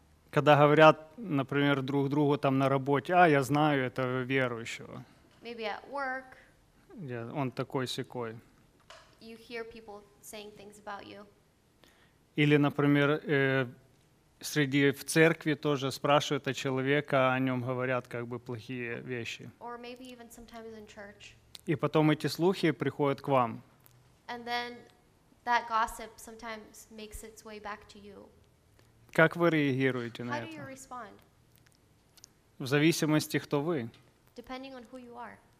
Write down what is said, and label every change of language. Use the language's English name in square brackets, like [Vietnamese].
[Russian] Когда говорят, например, друг другу там на работе, а, я знаю этого верующего. [English] Maybe at work. [Russian] Yeah, он такой-сякой. [English] You hear people saying things about you. [Russian] Или, например, среди в церкви тоже спрашивают о человека, о нем говорят как бы плохие вещи. [English] Or maybe even sometimes in church. [Russian] И потом эти слухи приходят к вам. [English] And then that gossip sometimes makes its way back to you. [Russian] Как вы реагируете на [English] это? How do you respond? [Russian] В зависимости, кто вы. [English] Depending on who you are.